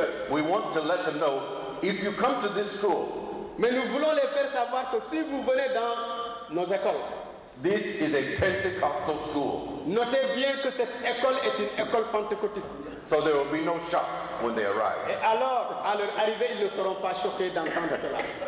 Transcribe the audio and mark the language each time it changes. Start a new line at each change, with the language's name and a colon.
English: But we want to let them know if you come to this school.
French: Mais nous voulons les faire savoir que si vous venez dans nos écoles.
English: This is a Pentecostal school.
French: Notez bien que cette école est une école pentecôtiste.
English: So there will be no shock when they arrive.
French: Et alors, à leur arrivée, ils ne seront pas choqués d'entendre cela.